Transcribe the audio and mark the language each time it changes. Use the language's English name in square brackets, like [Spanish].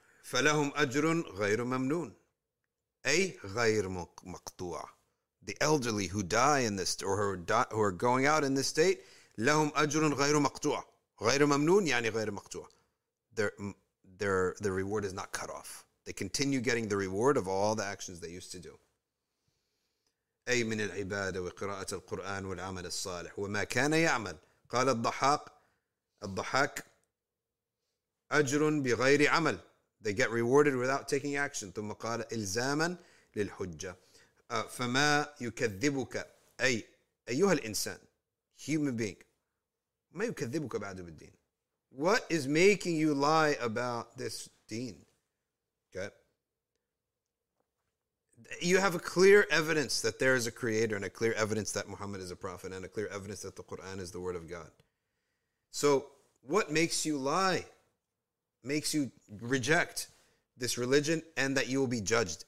[Arabic] فَلَهُمْ أَجْرٌ غَيْرُ مَمْنُونَ أي غَيْر مَقْطُوعَ [English] The elderly who die in this, or who are going out in this state, [Arabic] لَهُمْ أَجْرٌ غَيْرُ مَقْطُوعَ [English] غَيْرُ مَمْنُونَ يعني غَيْرُ مَقْطُوعَ Their reward is not cut off. They continue getting the reward of all the actions they used to do. [Arabic] أي من العبادة وقراءة القرآن والعمل الصالح وما كان يعمل قال الضحاك أجرٌ بغير عمل [English] They get rewarded without taking action. [Arabic] ثم قال إلزاماً للحجة. فما يكذبك أي أيها الإنسان, [English] human being. [Arabic] ما يكذبك بعد بالدين. [English] What is making you lie about this deen? Okay. You have a clear evidence that there is a creator and a clear evidence that Muhammad is a prophet and a clear evidence that the Quran is the word of God. So what makes you lie? Makes you reject this religion and that you will be judged.